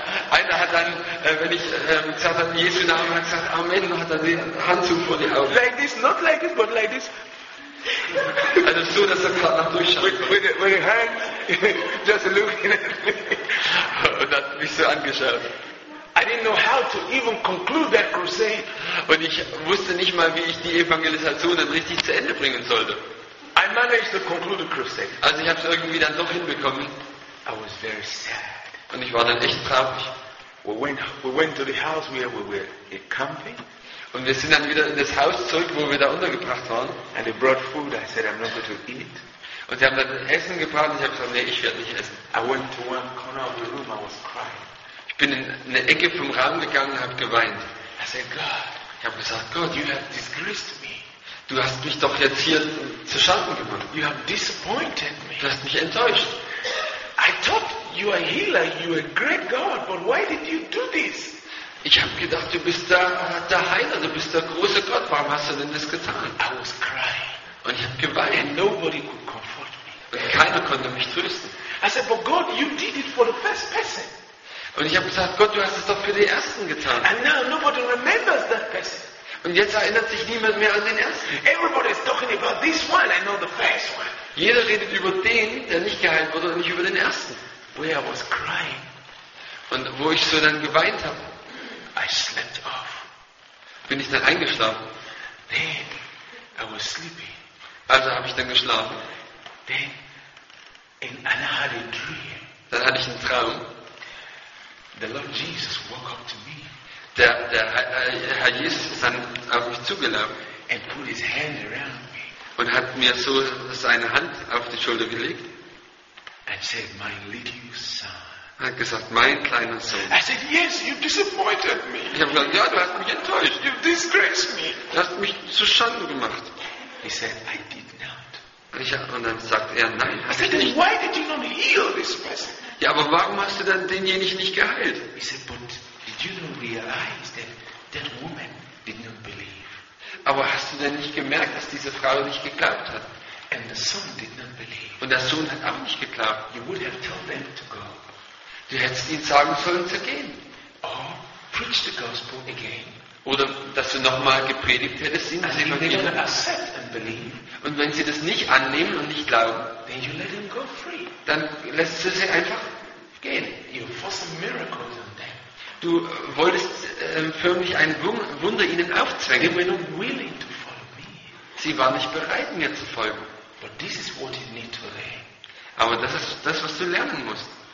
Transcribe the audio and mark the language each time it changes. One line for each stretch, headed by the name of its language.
German: Einer hat dann, wenn ich gesagt habe in Jesu Namen, hat gesagt amen, und hat dann den Handzug vor die Augen.
English: Like this, not like this, but like this.
German: Also so, dass er gerade noch durchschaut.
English: With the hand, just looking at me.
German: Und hat mich so angeschaut.
English: I didn't know how to even conclude that crusade.
German: Und ich wusste nicht mal, wie ich die Evangelisation dann richtig zu Ende bringen sollte.
English: I managed to conclude the crusade.
German: Also ich habe es irgendwie dann doch hinbekommen.
English: I was very sad.
German: Und ich war dann echt traurig.
English: We went to the house where we were camping.
German: Und wir sind dann wieder in das Haus zurück, wo wir da untergebracht waren.
English: And they brought food. I said, "I'm not going to eat."
German: Und sie haben dann Essen gebracht. Und ich habe gesagt, nee, ich werde nicht essen.
English: I went to one corner of the room. I was crying.
German: Ich bin in eine Ecke vom Raum gegangen und habe geweint.
English: I said, "God."
German: Ich habe gesagt, "God,
English: you have disgraced me.
German: Du hast mich doch jetzt hier zu Schanden gemacht.
English: You have disappointed me.
German: Du hast mich enttäuscht.
English: I thought you are a healer. You are a great God. But why did you do this?"
German: Ich habe gedacht, du bist der Heiler, du bist der große Gott. Warum hast du denn das getan?
English: I was crying.
German: Und ich habe geweint.
English: And nobody could comfort me.
German: Und keiner konnte mich trösten.
English: I said, "But God, you did it for the first person."
German: Und ich habe gesagt, Gott, du hast es doch für die Ersten getan.
English: And now nobody remembers that person.
German: Und jetzt erinnert sich niemand mehr an den Ersten.
English: Everybody is talking about this one. I know the first one.
German: Jeder redet über den, der nicht geheilt wurde, und nicht über den Ersten.
English: Where I was crying.
German: Und wo ich so dann geweint habe.
English: I slept off.
German: Bin ich dann eingeschlafen?
English: Then I was sleepy.
German: Also habe ich dann geschlafen.
English: Then in another dream.
German: Dann hatte ich einen Traum.
English: The Lord Jesus woke up to me.
German: Der Herr Jesus ist dann auf mich zugelaufen.
English: And put his hand around me.
German: und hat mir so seine Hand auf die Schulter gelegt.
English: And said, my little son.
German: Hat gesagt, mein kleiner Sohn.
English: I said, yes, you disappointed me.
German: Ich habe gesagt, ja, du hast mich enttäuscht.
English: You disgraced me.
German: Du hast mich zu Schanden gemacht.
English: He said, I did not.
German: Und dann sagt er, nein.
English: I said, then why did you not heal this person?
German: Ja, aber warum hast du dann denjenigen nicht geheilt?
English: He said, but did you not realize that that woman did not believe?
German: Aber hast du denn nicht gemerkt, dass diese Frau nicht geglaubt hat?
English: And the son did not believe.
German: Und der Sohn hat auch nicht geglaubt.
English: You would have told them to go.
German: Du hättest ihnen sagen sollen zu gehen.
English: Or preach the gospel again.
German: Oder dass du nochmal gepredigt hättest, ihnen das Evangelium.
English: Accept and believe.
German: Und wenn sie das nicht annehmen und nicht glauben,
English: then you let them go free.
German: Dann lässt du sie einfach gehen.
English: You force miracles on them.
German: Du wolltest förmlich ein Wunder ihnen aufzwängen.
English: They were not willing to follow me.
German: Sie waren nicht bereit, mir zu folgen.
English: But this is what you need to learn.
German: Aber das ist das, was du lernen musst.